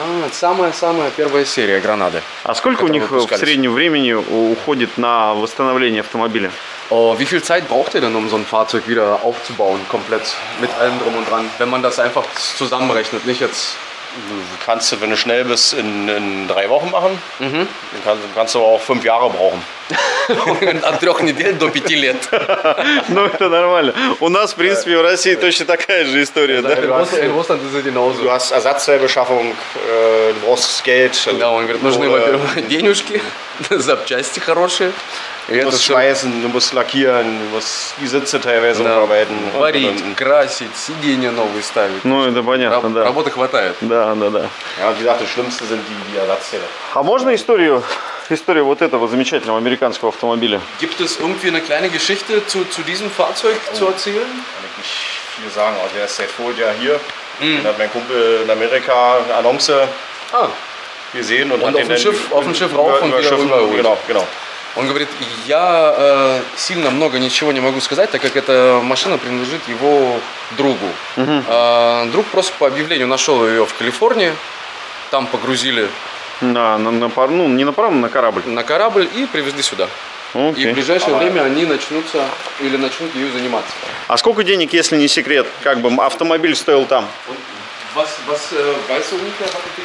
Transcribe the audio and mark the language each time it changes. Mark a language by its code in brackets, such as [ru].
[ru] Самая-самая первая серия Гранады. А сколько у них в среднем времени уходит на восстановление автомобиля? [de] Wie viel Zeit braucht ihr denn, um so ein Fahrzeug wieder aufzubauen, komplett, mit allem drum und dran, wenn man das einfach zusammenrechnet, nicht jetzt... Kannst du, wenn du schnell bist, in 3 Wochen machen, mhm. Dann kannst du aber auch 5 Jahre brauchen. [ru] От 3 недель до 5 лет. Ну, это нормально. У нас, в принципе, в России точно такая же история, да? [de] In Russland ist es genauso. Du hast Ersatzteilbeschaffung, du brauchst Geld. [ru] Да, он говорит, нужны, во-первых, денежки, запчасти хорошие. [de] Du musst schweißen, du musst lackieren, du musst die Sitze teilweise umarbeiten. [ru] Варить, красить, сиденья новые ставить. Ну, это понятно, да. Работы хватает. Да. [de] Ja, wie gesagt, das Schlimmste sind die Ersatzteile. [ru] А можно историю? История вот этого замечательного американского автомобиля. [de] Gibt es irgendwie eine kleine Geschichte zu diesem Fahrzeug zu erzählen? Ich kann viel sagen, also er ist seit vorher Jahr hier. Hat mein Kumpel in Amerika eine Annonce gesehen und hat den auf dem Schiff rauf und wieder rüber. Genau. [ru] Он говорит, я сильно много ничего не могу сказать, так как эта машина принадлежит его другу. Друг просто по объявлению нашел ее в Калифорнии, там погрузили. Да, на пар, ну не на паром, на корабль. На корабль и привезли сюда. Окей. И в ближайшее время они начнутся или начнут ее заниматься. А сколько денег, если не секрет, как бы автомобиль стоил там? [de] Was weißt du ungefähr, was ich denn kostet hat?